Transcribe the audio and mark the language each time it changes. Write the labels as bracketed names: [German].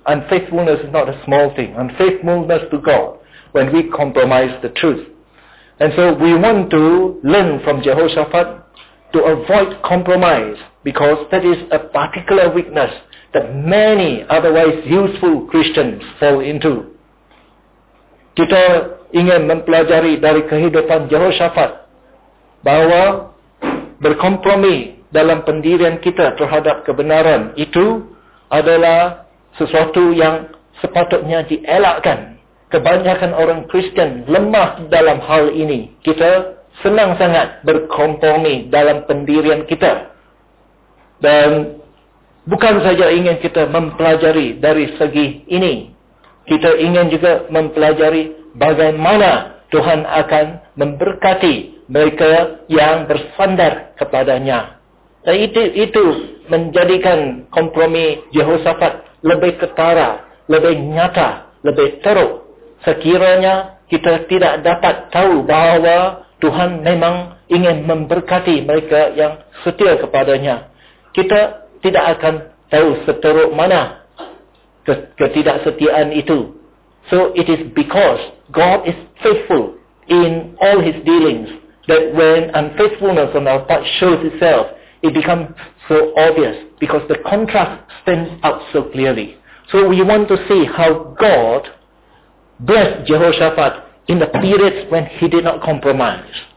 [English] Unfaithfulness is not a small thing. Unfaithfulness to God, when we compromise the truth. And so we want to learn from Jehoshaphat to avoid compromise, because that is a particular weakness that many otherwise useful Christians fall into. [Malay] Kita ingin mempelajari dari kehidupan Jehoshaphat bahwa berkompromi dalam pendirian kita terhadap kebenaran itu adalah sesuatu yang sepatutnya dielakkan. Kebanyakan orang Kristian lemah dalam hal ini. Kita senang sangat berkompromi dalam pendirian kita. Dan bukan saja ingin kita mempelajari dari segi ini. Kita ingin juga mempelajari bagaimana Tuhan akan memberkati mereka yang bersandar kepadanya. Dan itu menjadikan kompromi Yehoshafat lebih ketara, lebih nyata, lebih teruk. Sekiranya kita tidak dapat tahu bahwa Tuhan memang ingin memberkati mereka yang setia kepadanya, kita tidak akan tahu seteruk mana ketidaksetiaan itu. [English] So it is because God is faithful in all his dealings that when unfaithfulness on our part shows itself, it becomes so obvious because the contrast stands out so clearly. So we want to see how God blessed Jehoshaphat in the periods when he did not compromise.